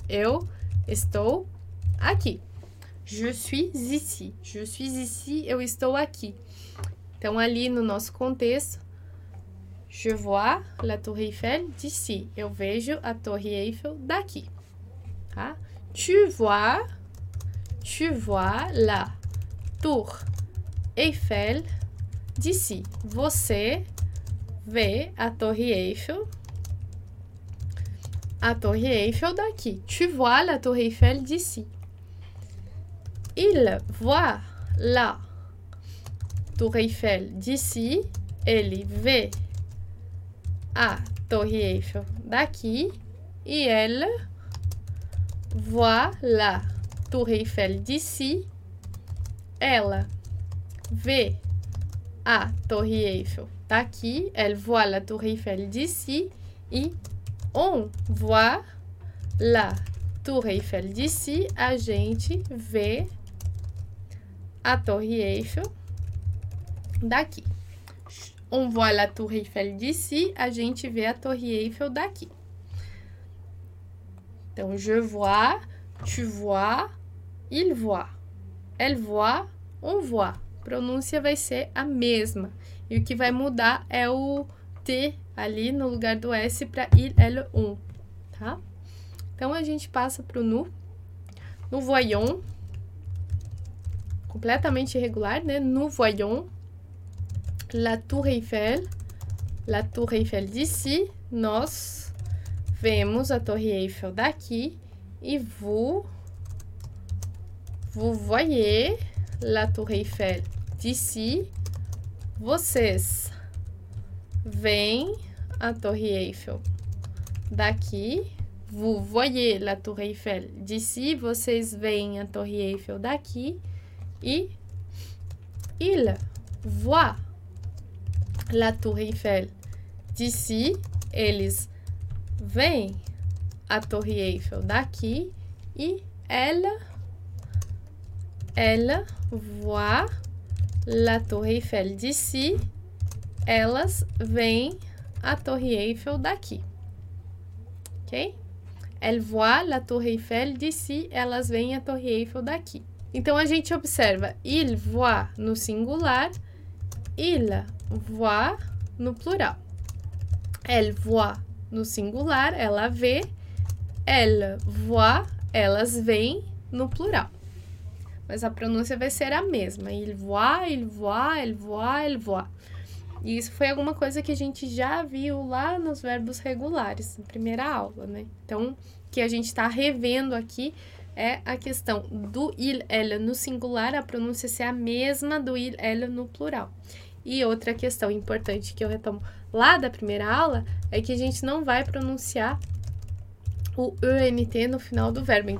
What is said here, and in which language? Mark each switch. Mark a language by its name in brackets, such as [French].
[Portuguese] Eu estou aqui. [French] Je suis ici. Je suis ici. [Portuguese] Eu estou aqui. Então, ali no nosso contexto, [French] je vois la Tour Eiffel d'ici. [Portuguese] Eu vejo a Torre Eiffel daqui. Tá? [French] Tu vois la Tour Eiffel d'ici. [Portuguese] Você vê a Torre Eiffel daqui. [French] Tu vois la Tour Eiffel d'ici. Il voit la Tour Eiffel d'ici. [Portuguese] Ele vê a Torre Eiffel daqui. [French] E elle voit la Tour Eiffel d'ici. [Portuguese] Ela vê a Torre Eiffel daqui. [French] Elle voit la Tour Eiffel d'ici. E on voit la Tour Eiffel d'ici. [Portuguese] A gente vê a Torre Eiffel daqui. [French] On voit la Tour Eiffel d'ici. [Portuguese] A gente vê a Torre Eiffel daqui. [French] Então, je vois, tu vois, il voit, elle voit, on voit. [Portuguese] Pronúncia vai ser a mesma. E o que vai mudar é o T ali no lugar do S para il, elle, on, tá? Então, a gente passa para o nu. [French] Nous voyons. [Portuguese] Completamente irregular, né? [French] Nous voyons la Tour Eiffel. La Tour Eiffel d'ici. [Portuguese] Nós vemos a Torre Eiffel daqui. [French] E vous voyez la Tour Eiffel d'ici. [Portuguese] Vocês veem a Torre Eiffel daqui. [French] Vous voyez la Tour Eiffel d'ici. [Portuguese] Vocês veem a Torre Eiffel daqui. [French] E il voit la Tour Eiffel d'ici. [Portuguese] Eles veem a Torre Eiffel daqui. [French] E elle voit la Tour Eiffel d'ici. [Portuguese] Elas veem a Torre Eiffel daqui. Ok? [French] Elle voit la Tour Eiffel d'ici. [Portuguese] Elas veem a Torre Eiffel daqui. Então, a gente observa il voit no singular, il voit no plural. Elle voit no singular, ela vê. Elle voit, elas veem no plural. Mas a pronúncia vai ser a mesma. [French] Il voit, il voit, elle voit, elle voit. [Portuguese] E isso foi alguma coisa que a gente já viu lá nos verbos regulares, na primeira aula, né? Então, o que a gente está revendo aqui é a questão do il, ela no singular, a pronúncia ser a mesma do il, ela no plural. E outra questão importante que eu retomo lá da primeira aula é que a gente não vai pronunciar o ENT no final do verbo.